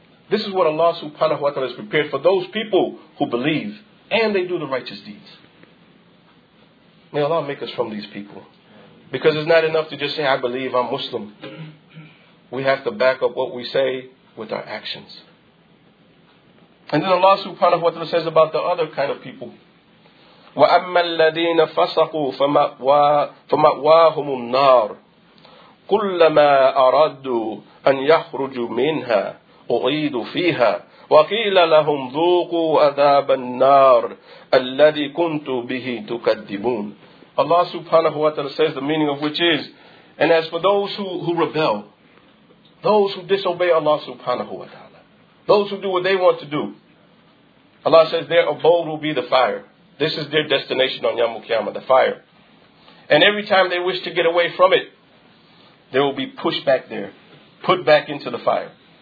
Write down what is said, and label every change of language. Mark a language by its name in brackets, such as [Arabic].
[English] This is what Allah subhanahu wa ta'ala has prepared for those people who believe and they do the righteous deeds. May Allah make us from these people. Because it's not enough to just say, I believe, I'm Muslim. We have to back up what we say with our actions. And then Allah subhanahu wa ta'ala says about the other kind of people, [Arabic] وَأَمَّا الَّذِينَ فَسَقُوا فَمَأْوَاهُمُ النَّارُ كُلَّمَا أَرَدُّوا أَنْ يَخْرُجُوا مِنْهَا أُعِيدُوا فِيهَا وَقِيلَ لَهُمْ ذُوقُوا عَذَابَ النَّارِ الَّذِي كُنْتُ بِهِ تُكَذِّبُونَ. [English] Allah subhanahu wa ta'ala says, the meaning of which is, and as for those who rebel, those who disobey Allah subhanahu wa ta'ala, those who do what they want to do, Allah says their abode will be the fire. This is their destination on Yawmul Qiyamah, the fire. And every time they wish to get away from it, they will be pushed back there, put back into the fire.